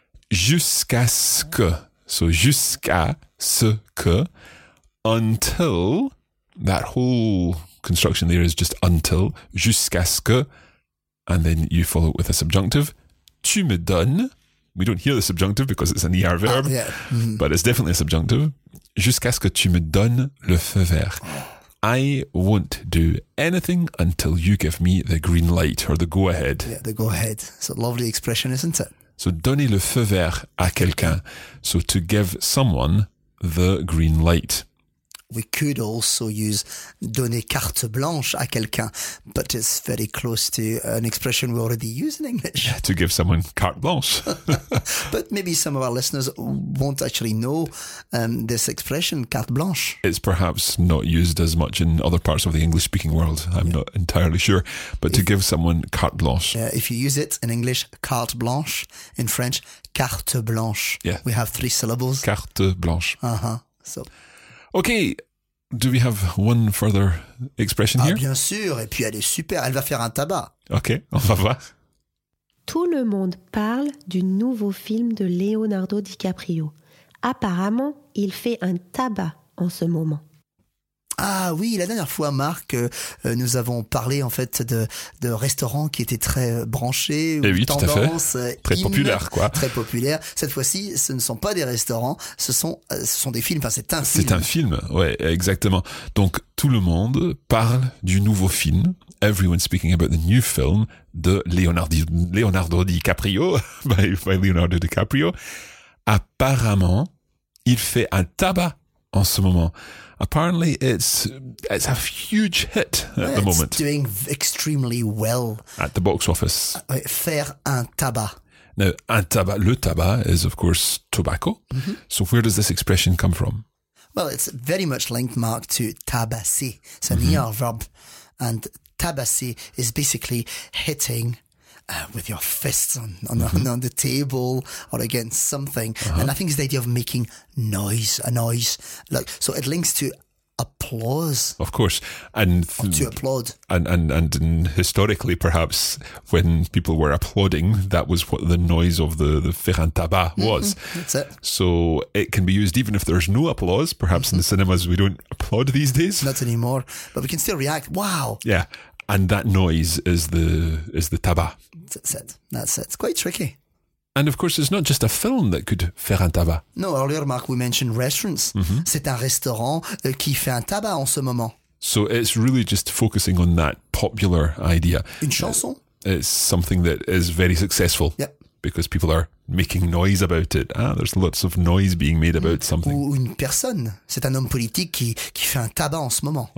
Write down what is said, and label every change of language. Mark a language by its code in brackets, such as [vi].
[fr] Jusqu'à ce que. So jusqu'à ce que. [en] Until. That whole construction there is just until. [fr] Jusqu'à ce que. [en] And then you follow it with a subjunctive. [fr] Tu me donnes. [en] We don't hear the subjunctive because it's an ER verb. Yeah. Mm-hmm. But it's definitely a subjunctive. [fr] Jusqu'à ce que tu me donnes le feu vert. [en] I won't do anything until you give me the green light or the go-ahead. Yeah, the go-ahead. It's a lovely expression, isn't it? [fr] So donner le feu vert à quelqu'un. [en] So to give someone the green light. We could also use [fr] donner carte blanche à quelqu'un, [en] but it's very close to an expression we already use in English. Yeah, to give someone carte blanche. But maybe some of our listeners won't actually know this expression, carte blanche. It's perhaps not used as much in other parts of the English-speaking world. I'm not entirely sure. But to give someone carte blanche. If you use it in English, carte blanche. In French, carte blanche. Yeah. We have three syllables. Carte blanche. Uh-huh. So... Okay, do we have one further expression here? [fr] Ah, bien sûr, et puis elle est super, elle va faire un tabac. Okay, on va voir. Tout le monde parle du nouveau film de Leonardo DiCaprio. Apparemment, il fait un tabac en ce moment. Ah oui, la dernière fois, Marc, nous avons parlé en fait de restaurants qui étaient très branchés, et oui, tendance, tout à fait. Très populaire, quoi. Très populaire. Cette fois-ci, ce ne sont pas des restaurants, ce sont des films. Enfin, c'est un film. C'est un film, ouais, exactement. Donc tout le monde parle du nouveau film. [en] Everyone's speaking about the new film de Leonardo DiCaprio by Leonardo DiCaprio. [fr] Apparemment, il fait un tabac en ce moment. [en] Apparently, it's a huge hit at the moment. It's doing extremely well. At the box office. [fr] Faire un tabac. [en] Now, un tabac, le tabac is, of course, tobacco. Mm-hmm. So where does this expression come from? Well, it's very much linked, Mark, to tabasser. It's an ER verb. And tabasser is basically hitting with your fists on the table or against something. Uh-huh. And I think it's the idea of making a noise. Like, so it links to applause. Of course. And to applaud. And historically, perhaps, when people were applauding, that was what the noise of the [fr] faire un tabac [en] was. Mm-hmm. That's it. So it can be used even if there's no applause. Perhaps in the cinemas, we don't applaud these days. Not anymore. But we can still react. Wow. Yeah. And that noise is the tabac. That's it. It's quite tricky. And of course, it's not just a film that could [fr] faire un tabac. [en] No, earlier, Mark, we mentioned restaurants. Mm-hmm. [fr] C'est un restaurant qui fait un tabac en ce moment. [en] So it's really just focusing on that popular idea. [fr] Une chanson. [en] It's something that is very successful. Yep. Because people are making noise about it. Ah, there's lots of noise being made about something. [fr] Ou une personne. C'est un homme politique qui fait un tabac en ce moment.